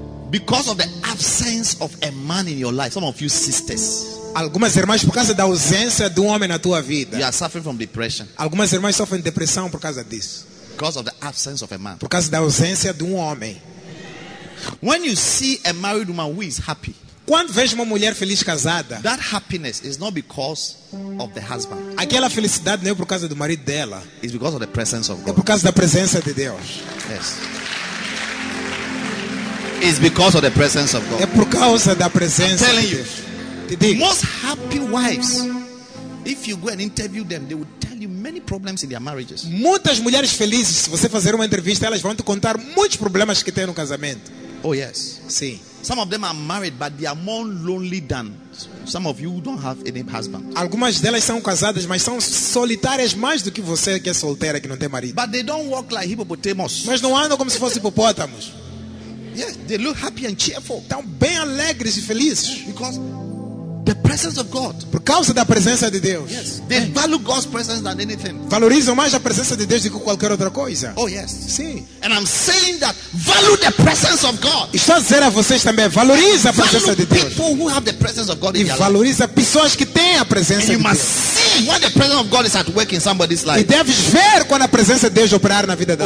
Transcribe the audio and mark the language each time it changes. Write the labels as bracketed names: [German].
[English] because of the absence of a man in your life, some of you sisters, [Portuguese] algumas irmãs por causa da ausência de homem na tua vida, [English] you are suffering from depression. [Portuguese] Algumas irmãs sofrem depressão por causa disso, [English] because of the absence of a man, [Portuguese] por causa da ausência de homem. [English] When you see a married woman who is happy, [Portuguese] quando vejo uma mulher feliz casada, [English] that happiness is not because of the husband. [Portuguese] Aquela felicidade não é por causa do marido dela. [English] It's because of the presence of God. [Portuguese] É por causa da presença de Deus. [English] Yes. It's because of the presence of God. [Portuguese] É por causa da presença. [English] I'm telling [Portuguese] de [English] you, [Portuguese] Deus. [English] Most happy wives, if you go and interview them, they would tell you many problems in their marriages. [Portuguese] Muitas mulheres felizes, se você fazer uma entrevista, elas vão te contar muitos problemas que têm no casamento. [English] Oh yes. [Portuguese] Sim. [English] Some of them are married, but they are more lonely than some of you who don't have any husband. [Portuguese] Algumas delas são casadas, mas são solitárias mais do que você que é solteira que não tem marido. [English] But they don't walk like hippopotamus. [Portuguese] Mas não andam como se fossem hipopótamos. [English] Yeah, they look happy and cheerful. [Portuguese] Estão bem alegres e felizes. [English] Because the presence of God. [Portuguese] Por causa da presença de Deus. [English] Yes. They value God's presence than anything. [Portuguese] Valorizam mais a presença de Deus do que qualquer outra coisa. [English] Oh yes. [Portuguese] Sim. [English] And I'm saying that value the presence of God. [Portuguese] Estou a dizer a vocês também, valorize a presença [English] value [Portuguese] de Deus. [English] People who have the presence of God in [Portuguese] e valorize pessoas que têm a presença [English] and [Portuguese] de Deus. [English] You must see when the presence of God is at work in somebody's life. [Portuguese] E deves ver quando a presença de Deus operar na vida da